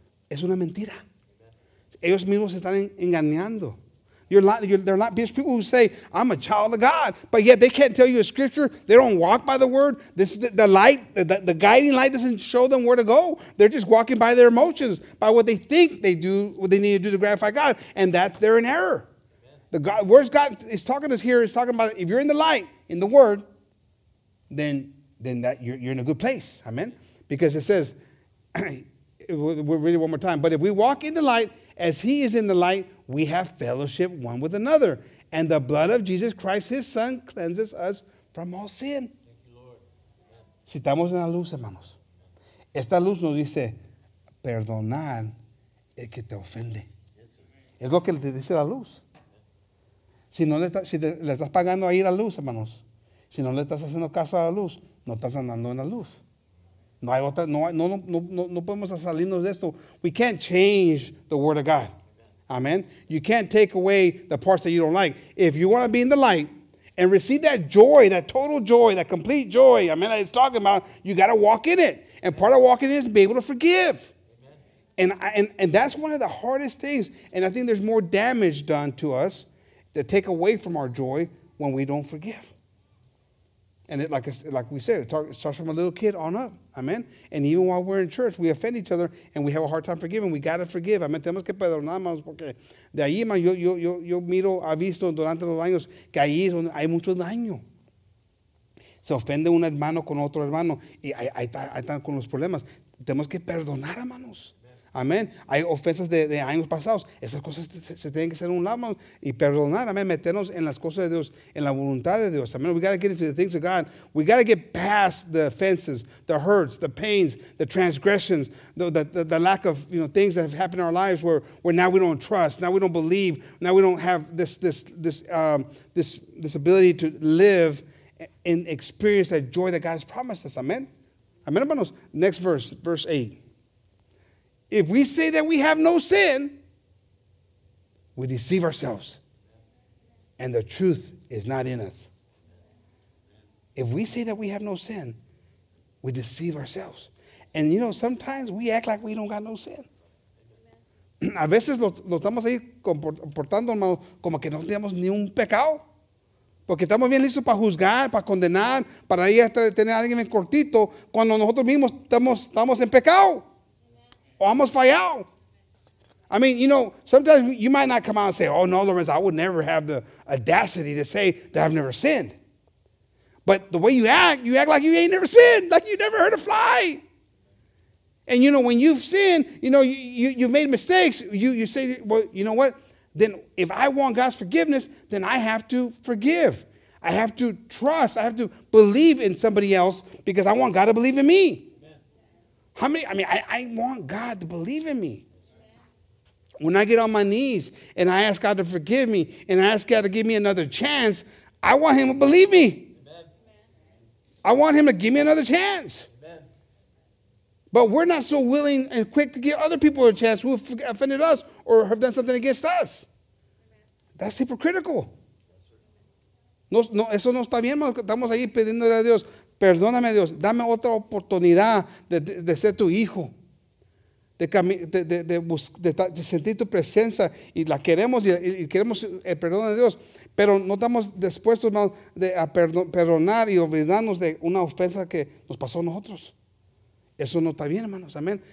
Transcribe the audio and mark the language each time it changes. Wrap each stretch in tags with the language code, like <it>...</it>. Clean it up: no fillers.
<es>Es una mentira. Ellos mismos se están engañando.</es> <en>They're not these people who say, I'm a child of God. But yet they can't tell you a scripture. They don't walk by the word. This is the light, the guiding light doesn't show them where to go. They're just walking by their emotions, by what they think they do, what they need to do to gratify God. And that's, they're in error. Amen. The word God is talking about, if you're in the light, in the word, then that you're in a good place. Amen. Because it says, we'll read it one more time. But if we walk in the light as he is in the light, we have fellowship one with another. And the blood of Jesus Christ, his son, cleanses us from all sin.</en> <es>Si estamos en la luz, hermanos. Esta luz nos dice, perdonar el que te ofende. Es lo que te dice la luz. Si le estás pagando ahí la luz, hermanos. Si no le estás haciendo caso a la luz, no estás andando en la luz. No hay otra, no podemos salirnos de esto.</es> <en>We can't change the word of God. Amen. You can't take away the parts that you don't like. If you want to be in the light and receive that joy, that total joy, that complete joy, amen, that it's talking about, you got to walk in it. And part of walking in it is be able to forgive. Amen. And that's one of the hardest things. And I think there's more damage done to us to take away from our joy when we don't forgive. And it, like we said, it starts from a little kid on up. Amen. And even while we're in church, we offend each other and we have a hard time forgiving. We got to forgive. Amen.</en> <es>Tenemos que perdonar, hermanos, porque de ahí, hermano, yo miro, ha visto durante los años que ahí es donde hay mucho daño. Se ofende un hermano con otro hermano y ahí están con los problemas. Tenemos que perdonar, hermanos. Amén. Hay ofensas de años pasados. Esas cosas se tienen que hacer a un lado, hermanos, y perdonar. Amén. Meternos en las cosas de Dios, en la voluntad de Dios.</es> <en>Amén. We got to get into the things of God. We got to get past the offenses, the hurts, the pains, the transgressions, the lack of, you know, things that have happened in our lives where now we don't trust, now we don't believe, now we don't have this ability to live and experience that joy that God has promised us. Amén.</en> <es>Amén, hermanos.</es> <en>Next verse, verse 8. If we say that we have no sin, we deceive ourselves, and the truth is not in us. If we say that we have no sin, we deceive ourselves. And you know, sometimes we act like we don't got no sin.</en> <es>A veces lo estamos ahí comportando, hermano, como que no tenemos ni un pecado. Porque estamos bien listos para juzgar, para condenar, para ir a tener a alguien en cortito, cuando nosotros mismos estamos en pecado. O hemos fallado.</es> <en>I mean, you know, sometimes you might not come out and say, oh, no, Lorenzo, I would never have the audacity to say that I've never sinned. But the way you act like you ain't never sinned, like you never heard a fly. And, you know, when you've sinned, you know, you've made mistakes. You say, well, you know what? Then if I want God's forgiveness, then I have to forgive. I have to trust. I have to believe in somebody else because I want God to believe in me. Amen. How many? I mean, I want God to believe in me. When I get on my knees and I ask God to forgive me and I ask God to give me another chance, I want him to believe me. Amen. I want him to give me another chance. But we're not so willing and quick to give other people a chance who have offended us or have done something against us. That's hypocritical.</en> <es>No, no, eso no está bien. Estamos ahí pidiendo a Dios, perdóname Dios, dame otra oportunidad de ser tu hijo. De sentir tu presencia y la queremos y queremos el perdón de Dios. Pero no estamos dispuestos, hermano, a perdonar y olvidarnos de una ofensa que nos pasó a nosotros. Eso no está bien, hermanos. Amén.</es>